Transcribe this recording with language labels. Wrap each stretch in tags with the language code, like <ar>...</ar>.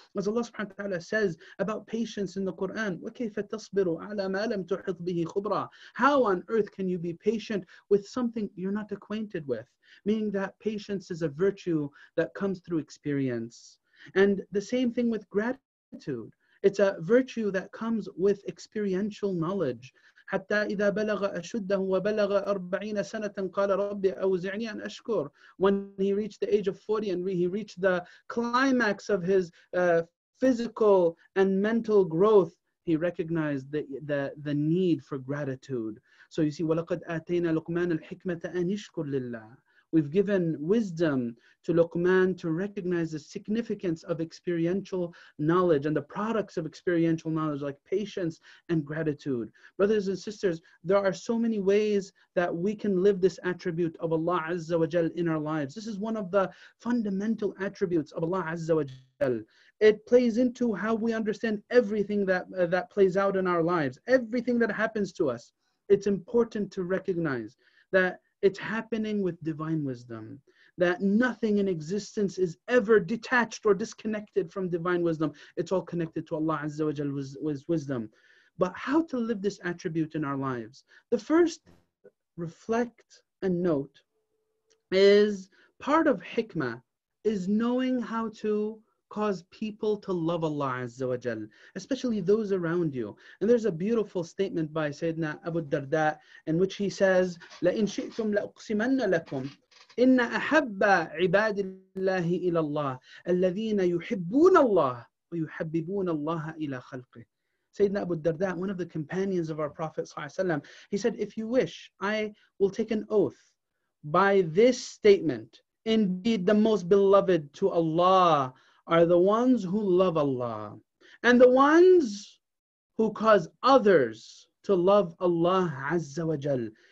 <en>As Allah subhanahu wa ta'ala says about patience in the Quran,</en> <ar>وَكَيْفَ تَصْبِرُ عَلَى مَا لَمْ تُحِطْ بِهِ خُبْرًا.</ar> <en>How on earth can you be patient with something you're not acquainted with? Meaning that patience is a virtue that comes through experience. And the same thing with gratitude. It's a virtue that comes with experiential knowledge.</en> <ar>حتى إذا بلغ أشده وبلغ 40 سنة قال ربي أوزعني أن أشكر.</ar> <en>When he reached the age of 40 and he reached the climax of his physical and mental growth, he recognized the need for gratitude. So you see,</en> <ar>وَلَقَدْ آتَيْنَا لُقْمَانَ الْحِكْمَةَ أَنْ يَشْكُرْ لِلَّهِ.</ar> <en>We've given wisdom to Luqman to recognize the significance of experiential knowledge and the products of experiential knowledge, like patience and gratitude. Brothers and sisters, there are so many ways that we can live this attribute of Allah Azza wa Jal in our lives. This is one of the fundamental attributes of Allah Azza wa Jal. It plays into how we understand everything that plays out in our lives, everything that happens to us. It's important to recognize that it's happening with divine wisdom, that nothing in existence is ever detached or disconnected from divine wisdom. It's all connected to Allah Azza wa Jalla's wisdom. But how to live this attribute in our lives? The first reflect and note is part of hikmah is knowing how to cause people to love Allah Azza wa Jal, especially those around you. And there's a beautiful statement by Sayyidina Abu Darda in which he says,</en> <ar>لَإِنْ شِئْتُمْ لَأُقْسِمَنَّ لَكُمْ إِنَّ أَحَبَّ عِبَادِ اللَّهِ إِلَى اللَّهِ الَّذِينَ يُحِبُّونَ اللَّهِ وَيُحَبِّبُونَ اللَّهَ إِلَى خَلْقِهِ.</ar> <en>Sayyidina Abu Darda, one of the companions of our Prophet ﷺ, he said, if you wish, I will take an oath by this statement, indeed the most beloved to Allah are the ones who love Allah, and the ones who cause others to love Allah Azza wa Jal.</en>